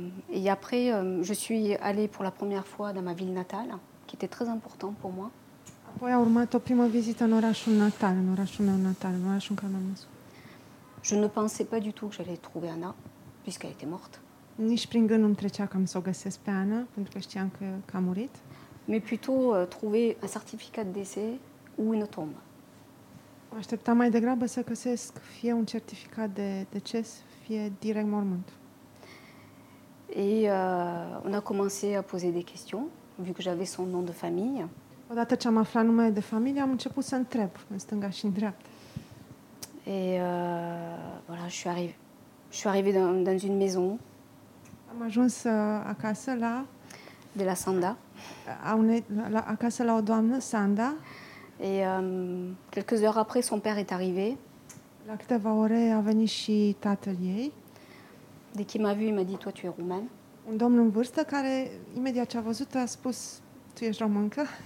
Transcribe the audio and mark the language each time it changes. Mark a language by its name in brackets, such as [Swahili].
[French] Et après je suis allée pour la première fois dans ma ville natale, qui était très important pour moi. [Romanian] Apoi a urmat o primă vizită în orașul natal, în orașul meu natal, în orașul în care m-am născut. [French] Je ne pensais pas du tout que j'allais trouver Anna, puisqu'elle était morte. [Romanian] Nici prin gând nu-mi trecea că am să o găsesc pe Anna, pentru că știam că a murit. [French] Mais plutôt trouver un certificat de décès ou une tombe. [Romanian] M-așteptam mai degrabă să găsesc fie un certificat de deces, fie direct mormânt. [French] Et on a commencé à poser des questions, vu que j'avais son nom de famille. [Romanian] Odată ce am aflat numele de familie, am început să întreb în stânga și în dreapta. [French] Et voilà, je suis arrivée dans une maison. [Romanian] Am ajuns acasă la de la Sanda. Acasă la o doamnă, Sanda. [French] Et quelques heures après, son père est arrivé. [Romanian] La câteva ore a venit și tatăl ei. [French] Dès qu'il m'a vu, il m'a dit, toi, tu es roumaine. [Romanian] un domn în vârstă care imediat ce a văzut a spus: tu ești româncă?